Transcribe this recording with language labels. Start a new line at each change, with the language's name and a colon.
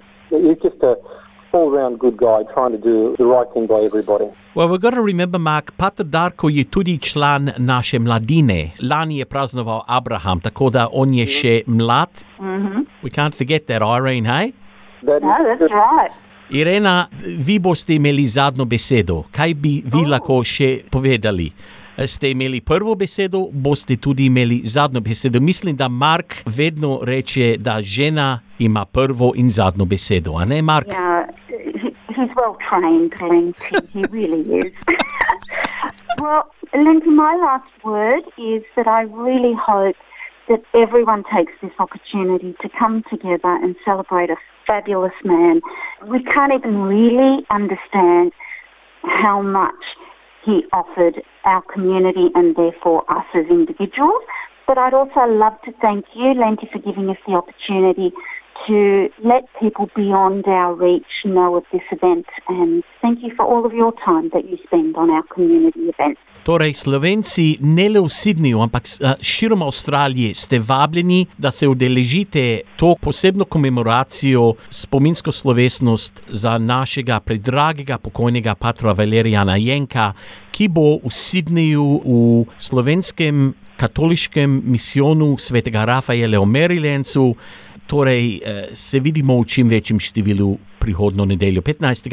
English: He's just a all-round good guy trying to do the right thing by everybody. Well, we've got to remember, Mark,
Slovenian: Pater Darko je tudi član naše mladine. Lani je praznoval Abraham, tako da on je še mlad. Mm-hmm.
English: We can't forget that, Irene, hey? That's right.
Slovenian: Irena, vi boste imeli zadnjo besedo. Kaj bi vi lahko še povedali? Ste imeli prvo besedo, boste tudi imeli zadnjo besedo. Mislim, da Mark vedno reče, da žena ima prvo in zadnjo besedo. A ne, Mark?
English: Yeah, he's well-trained, Lenti. He really is. Well, Lenti, my last word is that I really hope that that everyone takes this opportunity to come together and celebrate a fabulous man. We can't even really understand how much he offered our community and therefore us as individuals. But I'd also love to thank you, Lenti, for giving us the opportunity to let people beyond our reach know of this event. And thank you for all of your time that you spend on our community events.
Slovenian: Tore Slovenci nele v Sidneju, ampak širom Avstralije ste vabljeni, da se udeležite to posebno komemoracijo, spominsko slovesnost za našega predragega pokojnega patra Valerijana Jenka, ki bo v Sidneju v slovenskem katoliškem misijonu svetega Rafaela v Marylandu, torej se vidimo v čim večjem številu prihodno nedeljo 15.